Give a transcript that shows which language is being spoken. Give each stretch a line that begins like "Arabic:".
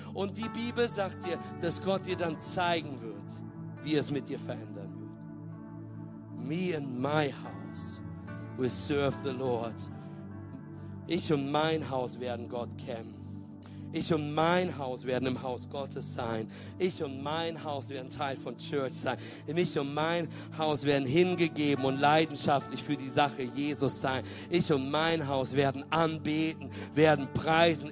German: Und die Bibel sagt dir, dass Gott dir dann zeigen wird, wie es mit dir verändern wird.
English: Me and my house will serve the Lord.
German: Ich und mein Haus werden Gott kennen. Ich und mein Haus werden im Haus Gottes sein. Ich und mein Haus werden Teil von Church sein. Ich und mein Haus werden hingegeben und leidenschaftlich für die Sache Jesus sein. Ich und mein Haus werden anbeten, werden preisen.